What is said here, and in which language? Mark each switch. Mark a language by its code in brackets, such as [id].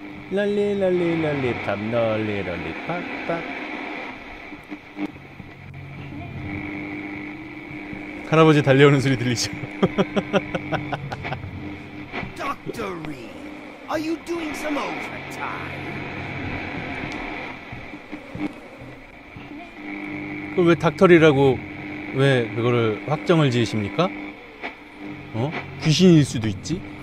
[ko] 랄리 랄리 랄리 팝 랄리 랄리 팍팍. 할아버지 달려오는 소리 들리죠. [en] Dr. Reed, are you doing some overtime? [ko] 그 왜 닥터리라고 왜 그거를 확정을 지으십니까? 어? 귀신일 수도 있지?